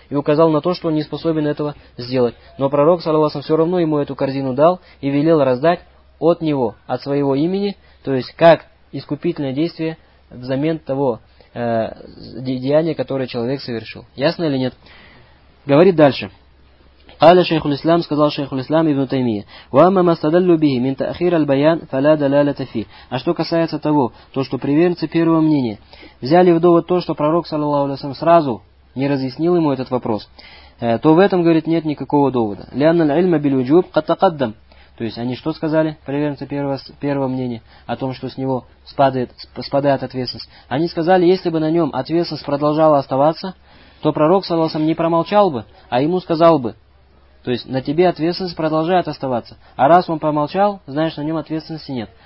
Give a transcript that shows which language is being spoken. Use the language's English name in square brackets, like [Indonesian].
[Russian] И указал на то, что он не способен этого сделать. Но пророк, саллаллаху алейхи ва саллям, все равно ему эту корзину дал и велел раздать от него, от своего имени, то есть как искупительное действие взамен того деяния, которое человек совершил. Ясно или нет? Говорит дальше. [Arabic] قال شيخ الإسلام [Russian] сказал [Arabic] شيخ الإسلام ابن تيمية وأما ما استدل به من تأخير البيان فلا دلالة فيه. [Russian] А что касается того, то что приверженцы первого мнения взяли в довод то, что пророк саллаллаху алейхи ва саллям сразу не разъяснил ему этот вопрос, то в этом, говорит, нет никакого довода. [Arabic] لأن العلم بالوجوب قد تقدم. [Russian] То есть они что сказали, приверженцы первого мнения, о том, что с него спадает ответственность? Они сказали, если бы на нем ответственность продолжала оставаться, то пророк саллаллаху алейхи ва саллям не промолчал бы, а ему сказал бы. То есть на тебе ответственность продолжает оставаться. А раз он промолчал, знаешь, на нем ответственности нет.